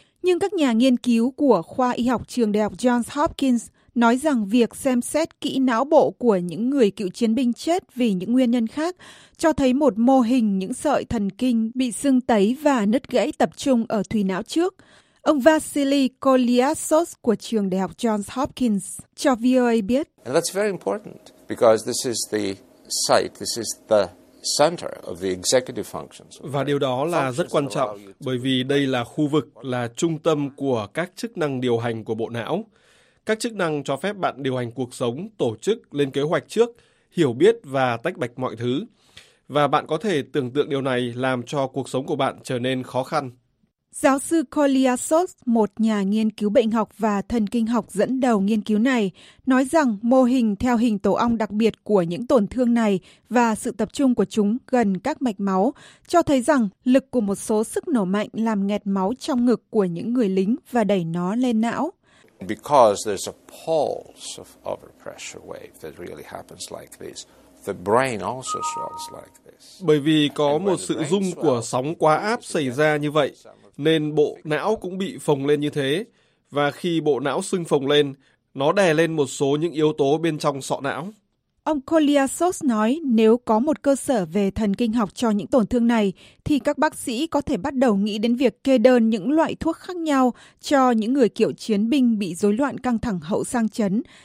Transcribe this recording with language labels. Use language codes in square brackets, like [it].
[vi] Nhưng các nhà nghiên cứu của khoa y học trường đại học Johns Hopkins nói rằng việc xem xét kỹ não bộ của những người cựu chiến binh chết vì những nguyên nhân khác cho thấy một mô hình những sợi thần kinh bị sưng tấy và nứt gãy tập trung ở thùy não trước. Ông Vasily Koliasos của trường đại học Johns Hopkins cho VOA biết. [en] That's very important because this is the site, this is the center of the executive functions. [vi] Và điều đó là rất quan trọng bởi vì đây là khu vực, là trung tâm của các chức năng điều hành của bộ não. Các chức năng cho phép bạn điều hành cuộc sống, tổ chức, lên kế hoạch trước, hiểu biết và tách bạch mọi thứ. Và bạn có thể tưởng tượng điều này làm cho cuộc sống của bạn trở nên khó khăn. Giáo sư Koliasos, một nhà nghiên cứu bệnh học và thần kinh học dẫn đầu nghiên cứu này, nói rằng mô hình theo hình tổ ong đặc biệt của những tổn thương này và sự tập trung của chúng gần các mạch máu cho thấy rằng lực của một số sức nổ mạnh làm nghẹt máu trong ngực của những người lính và đẩy nó lên não. [en] Because there's a pulse of overpressure wave that really happens like this. The brain also swells like this. [vi] Bởi vì có một sự rung của sóng quá áp xảy ra như vậy, nên bộ não cũng bị phồng lên như thế. Và khi bộ não sưng phồng lên, nó đè lên một số những yếu tố bên trong sọ não. Ông Koliasos nói nếu có một cơ sở về thần kinh học cho những tổn thương này, thì các bác sĩ có thể bắt đầu nghĩ đến việc kê đơn những loại thuốc khác nhau cho những người cựu chiến binh bị rối loạn căng thẳng hậu sang chấn.